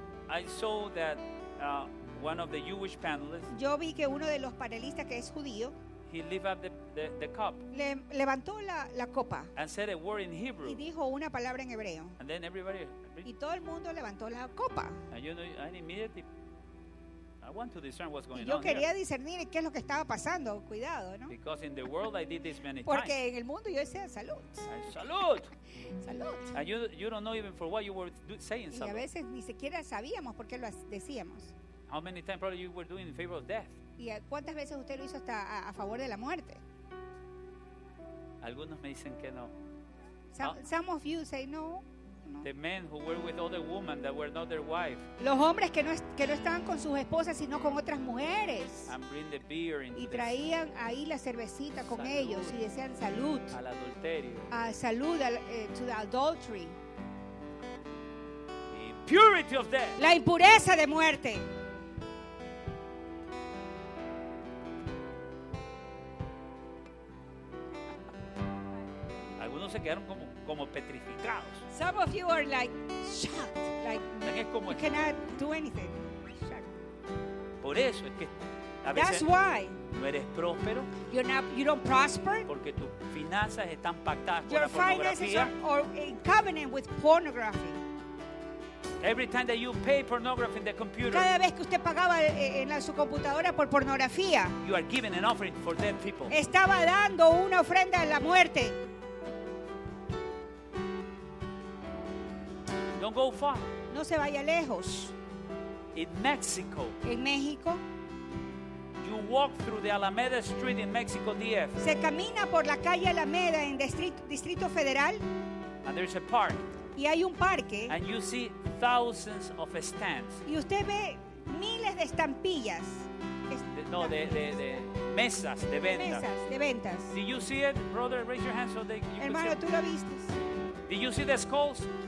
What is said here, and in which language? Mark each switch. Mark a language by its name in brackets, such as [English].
[English] I saw that one of the Jewish panelists. [Spanish] Yo vi que uno de los panelistas que es judío. [English] He lifted up the cup. [Spanish] Le levantó la copa. [English] And said a word in Hebrew. [Spanish] Y dijo una palabra en hebreo. [English] And then everybody. [Spanish] Y todo el mundo levantó la copa. [English] And you know, and immediately. I want to discern what's going [Spanish] y yo [English] on [Spanish] quería [English] here. [Spanish] Discernir qué es lo que estaba pasando. Cuidado, ¿no? [English] Because in the world I did this many times. [Spanish] Porque en el mundo yo decía salud. Salud. Salud. [English] And you don't know even for what you were saying. [Spanish] Y a veces ni siquiera sabíamos por qué lo decíamos. [English] How many times probably you were doing in favor of death? [Spanish] ¿Y cuántas veces usted lo hizo hasta a favor de la muerte? Algunos me dicen que no. [English] Some of you say no. The men who were with other women that were not their wives. [Spanish] Los hombres que no estaban con sus esposas sino con otras mujeres. [English] And bring the beer into [Spanish] y traían the ahí la cervecita con salud. Ellos y decían salud. Al adulterio. A salud al, [English] to the adultery. The impurity of death. [Spanish] La impureza de muerte. Algunos se quedaron como petrificados. [English] Some of you are like shocked, like you cannot do anything. [Spanish] Por eso es que a veces [English] that's why [Spanish] no eres próspero. [English] You don't prosper [Spanish] porque tus finanzas están pactadas con la pornografía. [English] Your finances are in covenant with pornography. Every time that you pay pornography in the computer, [Spanish] cada vez que usted pagaba en su computadora por pornografía, [English] you are giving an offering for dead people. [Spanish] Estaba dando una ofrenda a la muerte. [English] Don't go far. [Spanish] No se vaya lejos. [English] In Mexico. [Spanish] En México. [English] You walk through the Alameda Street in Mexico DF. [Spanish] Se camina por la calle Alameda en Distrito Federal. [English] And there's a park. [Spanish] Y hay un parque. [English] And you see thousands of stands. [Spanish] Y usted ve miles de estampillas. De mesas de venta. Mesas de ventas. [English] Did you see it, brother? Raise your hands so they. You [Spanish] hermano, [English] could see [Spanish] tú lo viste. [English] Did you see the skulls?